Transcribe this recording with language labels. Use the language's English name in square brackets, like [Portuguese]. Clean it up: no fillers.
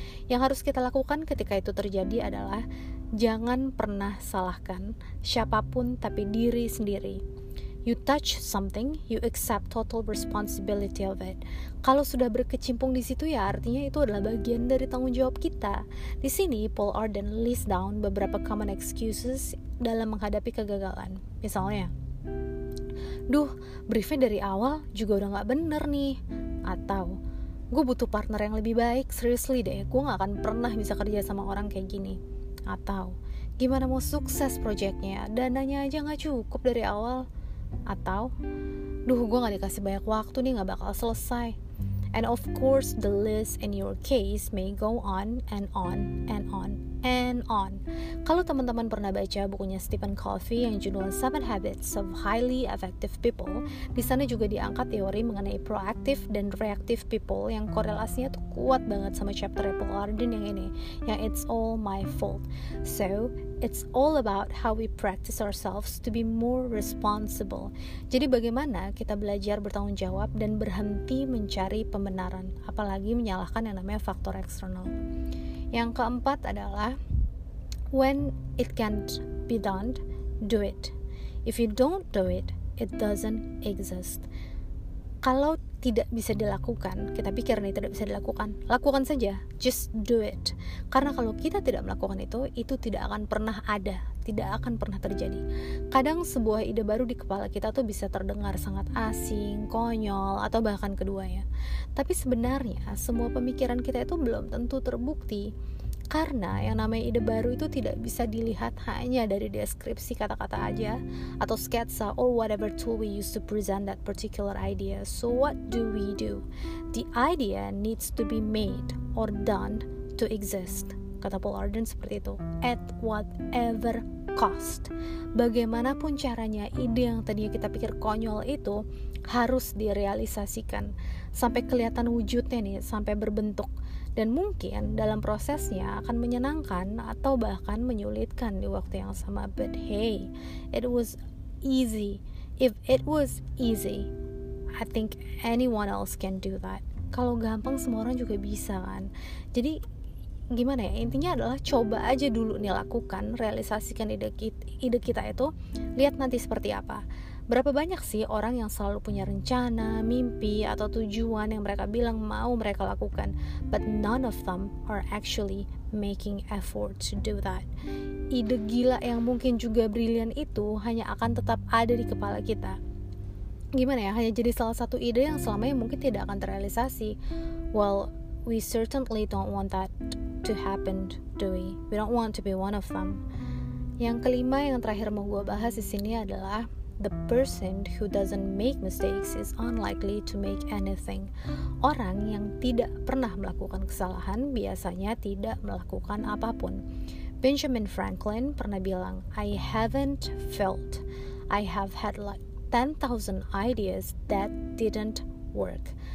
[Indonesian] Yang harus kita lakukan ketika itu terjadi adalah jangan pernah salahkan siapapun tapi diri sendiri. [English] You touch something, you accept total responsibility of it. [Indonesian] Kalau sudah berkecimpung di situ, ya artinya itu adalah bagian dari tanggung jawab kita. Di sini, Paul Arden [English] list down [Indonesian] beberapa [English] common excuses [Indonesian] dalam menghadapi kegagalan. Misalnya, duh, briefnya dari awal juga udah gak bener nih. Atau, gue butuh partner yang lebih baik, seriously deh, gue gak akan pernah bisa kerja sama orang kayak gini. Atau, gimana mau sukses projectnya, dananya aja gak cukup dari awal. Atau, duh, gue gak dikasih banyak waktu nih, gak bakal selesai. [English] And of course, the list in your case may go on and on and on and on. [Indonesian] Kalau teman-teman pernah baca bukunya Stephen Covey yang judulnya 7 Habits of Highly Effective People, di sana juga diangkat teori mengenai proactive dan reactive people yang korelasinya tuh kuat banget sama chapter Paul Arden yang ini, yang It's All My Fault. [English] So, it's all about how we practice ourselves to be more responsible. [Indonesian] Jadi bagaimana kita belajar bertanggung jawab dan berhenti mencari pembenaran, apalagi menyalahkan yang namanya faktor eksternal. Yang keempat adalah, [English] when it can't be done, do it. If you don't do it, it doesn't exist. [Indonesian] Kalau tidak bisa dilakukan, kita pikir nih tidak bisa dilakukan, lakukan saja, [English] just do it. [Indonesian] Karena kalau kita tidak melakukan itu tidak akan pernah ada, tidak akan pernah terjadi. Kadang sebuah ide baru di kepala kita tuh bisa terdengar sangat asing, konyol, atau bahkan keduanya. Tapi sebenarnya semua pemikiran kita itu belum tentu terbukti. Karena yang namanya ide baru itu tidak bisa dilihat hanya dari deskripsi kata-kata aja atau sketsa [English] or whatever tool we use to present that particular idea. So what do? The idea needs to be made or done to exist. [Indonesian] Kata Paul Arden seperti itu. [English] At whatever cost. [Indonesian] Bagaimanapun caranya, ide yang tadinya kita pikir konyol itu harus direalisasikan sampai kelihatan wujudnya nih, sampai berbentuk. Dan mungkin dalam prosesnya akan menyenangkan atau bahkan menyulitkan di waktu yang sama. [English] But hey, it was easy. If it was easy, I think anyone else can do that. [Indonesian] Kalau gampang semua orang juga bisa kan. Jadi gimana ya, intinya adalah coba aja dulu nih, lakukan, realisasikan ide kita itu, lihat nanti seperti apa. Berapa banyak sih orang yang selalu punya rencana, mimpi, atau tujuan yang mereka bilang mau mereka lakukan, [English] but none of them are actually making effort to do that. [Indonesian] Ide gila yang mungkin juga brilian itu hanya akan tetap ada di kepala kita. Gimana ya, hanya jadi salah satu ide yang selamanya mungkin tidak akan terrealisasi. [English] Well, we certainly don't want that to happen, do we? We don't want to be one of them. [Indonesian] Yang kelima, yang terakhir mau gue bahas di sini adalah, [English] the person who doesn't make mistakes is unlikely to make anything. [Indonesian] Orang yang tidak pernah melakukan kesalahan biasanya tidak melakukan apapun. [English] Benjamin Franklin [Indonesian] pernah bilang, [English] I haven't failed. I have had like 10,000 ideas that didn't work.